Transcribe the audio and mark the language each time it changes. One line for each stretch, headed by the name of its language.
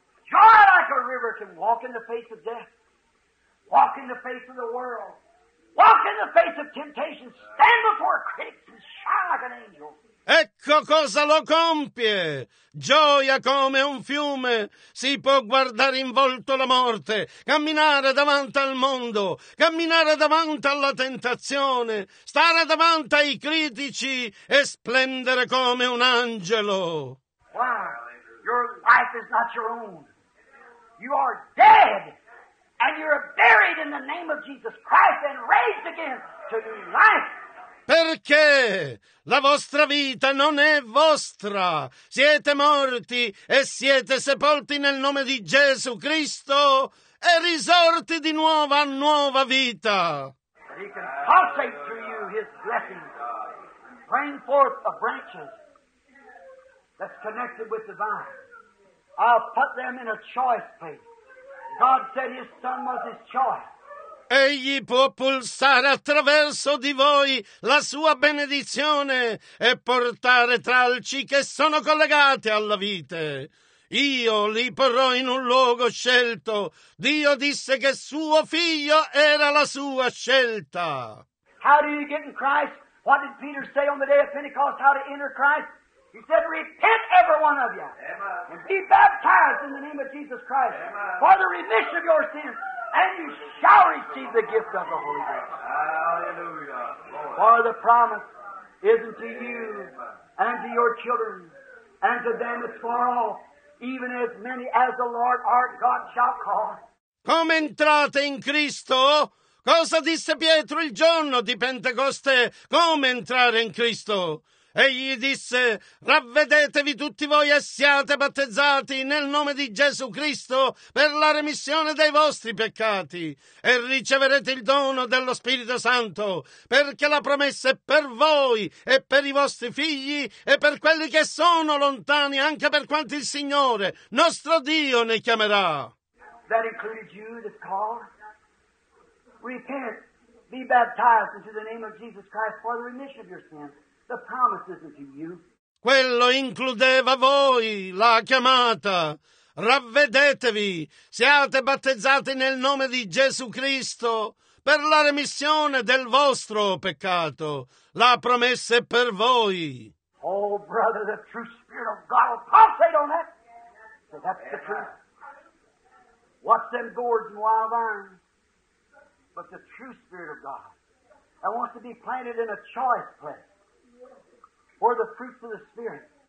English: Joy like a river can walk in the face of death, walk in the face of the world, walk in the face of temptation, stand before critics and shine like an angel.
Italian: Ecco cosa lo compie. Gioia come un fiume. Si può guardare in volto la morte, camminare davanti al mondo, camminare davanti alla tentazione, stare davanti ai critici e splendere come un angelo.
English: Wow, your life is not your own. You are dead, and you're buried in the name of Jesus Christ and raised again to new life.
Italian: Perché la vostra vita non è vostra. Siete morti e siete sepolti nel nome di Gesù Cristo e risorti di nuovo a nuova vita.
English: But he can pulsate through you his blessings, bring forth the branches that's connected with the vine. I'll put them in a choice place. God said his son was his choice.
Italian: Egli può pulsare attraverso di voi la sua benedizione e portare tralci che sono collegate alla vite. Io li porrò in un luogo scelto. Dio disse che suo figlio era la sua scelta.
English: How do you get in Christ? What did Peter say on the day of Pentecost? How to enter Christ? He said, repent every one of you. Amen. And be baptized in the name of Jesus Christ. Amen. For the remission of your sins. And you shall receive the gift of the Holy Ghost. Hallelujah. For the promise is unto you and to your children and to them that's far off, even as many as the Lord our God shall call.
Italian: Come entrate in Cristo? Cosa disse Pietro il giorno di Pentecoste? Come entrare in Cristo? Egli disse, ravvedetevi tutti voi e siate battezzati nel nome di Gesù Cristo per la remissione dei vostri peccati e riceverete il dono dello Spirito Santo, perché la promessa è per voi e per i vostri figli e per quelli che sono lontani, anche per quanti il Signore, nostro Dio, ne chiamerà.
English: That includes you, this call. Repent, be baptized into the name of Jesus Christ for the remission of your sins. The promise isn't to you.
Italian: Quello includeva voi, la chiamata. Ravvedetevi, siate battezzati nel nome di Gesù Cristo per la remissione del vostro peccato. La promessa è per voi.
English: Oh, brother, the true spirit of God will pulsate on that. So that's the truth. Watch them gourds and wild iron. But the true spirit of God and wants to be planted in a choice place for the fruits of the Spirit.